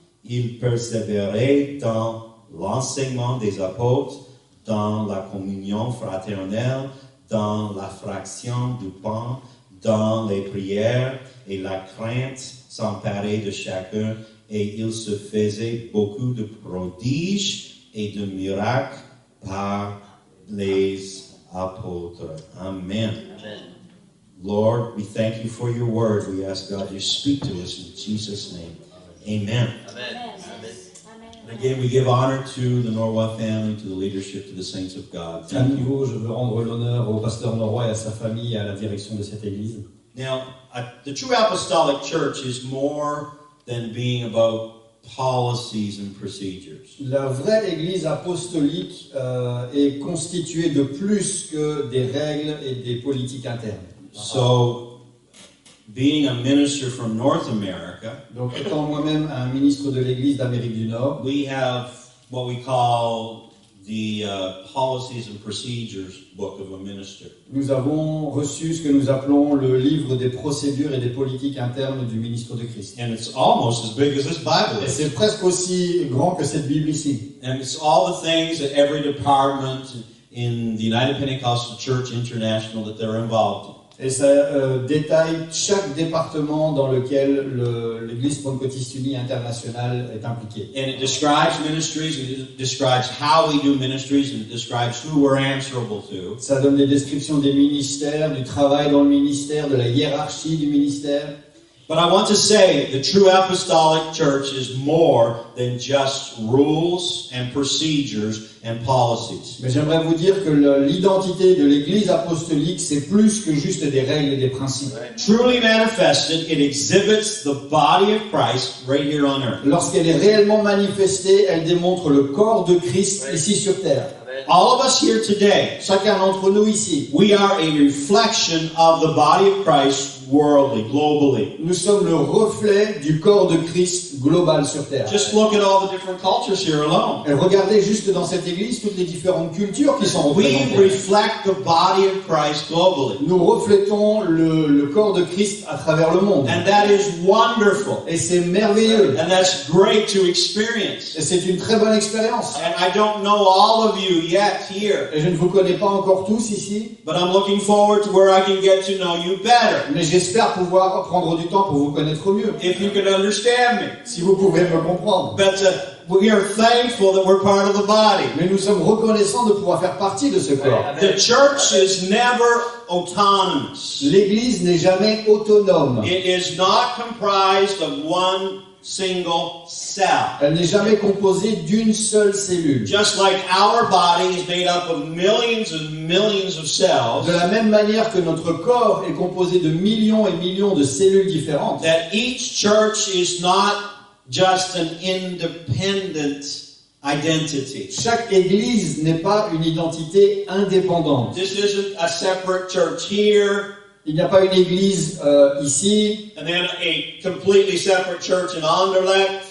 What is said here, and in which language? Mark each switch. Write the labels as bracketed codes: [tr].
[fr] Ils persévéraient dans l'enseignement des apôtres, dans la communion fraternelle, dans la fraction du pain, dans les prières, et la crainte s'emparait de chacun, et il se faisait beaucoup de prodiges et de miracles par les apôtres. [en] Amen. Lord, we thank you for your word. We ask God you speak to us in Jesus' name. Amen. Amen. Again, we give honor to the Norwood family, to the leadership, to the saints of God. [fr] À nouveau, je veux rendre l'honneur au pasteur Norwood et à sa famille et à la direction de cette église. [en] Now, the true apostolic church is more than being about policies and procedures. [fr] La vraie église apostolique est constituée de plus que des règles et des politiques internes. [en] So, being a minister from North America, [fr] donc étant moi-même un ministre de l'Église d'Amérique du Nord, [en] we have what we call the policies and procedures book of a minister. [fr] Nous avons reçu ce que nous appelons le livre des procédures et des politiques internes du ministre de Christ. [en] And it's almost as big as this Bible. [fr] Et c'est presque aussi grand que cette Bible ici. [en] And it's all the things that every department in the United Pentecostal Church International that they're involved in. [fr] Et ça détaille chaque département dans lequel l'Église Pentecôtiste Unie internationale est impliquée. [en] And it describes ministries, it describes how we do ministries, and it describes who we're answerable to. [fr] Ça donne des descriptions des ministères, du travail dans le ministère, de la hiérarchie du ministère. [en] But I want to say the true apostolic church is more than just rules and procedures and policies. [fr] Mais j'aimerais vous dire que l'identité de l'Église apostolique c'est plus que juste des règles et des principes. [en] Truly manifested, it exhibits the body of Christ right here on earth. [fr] Lorsqu'elle est réellement manifestée, elle démontre le corps de Christ ici sur terre. [en] All of us here today, [fr] chacun d'entre nous ici, [en] we are a reflection of the body of Christ worldly, globally. [fr] Nous sommes le reflet du corps de Christ global sur terre. [en] Just look at all the different cultures here alone. [fr] Et regardez juste dans cette église toutes les différentes cultures qui sont représentées. [en] We reflect the body of Christ globally. [fr] Nous reflétons le corps de Christ à travers le monde. [en] And that is wonderful. [fr] Et c'est merveilleux. [en] And that's great to experience. [fr] Et c'est une très bonne expérience. [en] And I don't know all of you yet here. [fr] Et je ne vous connais pas encore tous ici. [en] But I'm looking forward to where I can get to know you better. [fr] Mais j'espère pouvoir prendre du temps pour vous connaître mieux. [en] If you can understand me. [fr] Si vous pouvez me comprendre. [en] But we are thankful that we're part of the body. [fr] Mais nous sommes reconnaissants de pouvoir faire partie de ce corps. [en] The church is never autonomous. [fr] L'église n'est jamais autonome. [en] It is not comprised of one single cell. [fr] Elle n'est jamais composée d'une seule cellule. [en] Just like our body is made up of millions and millions of cells. [fr] De la même manière que notre corps est composé de millions et millions de cellules différentes. [en] That each church is not just an independent identity. [fr] Chaque église n'est pas une identité indépendante. [en] This isn't a separate church here. [fr] Il n'y a pas une église ici. [en] And then a completely separate church in Anderlecht.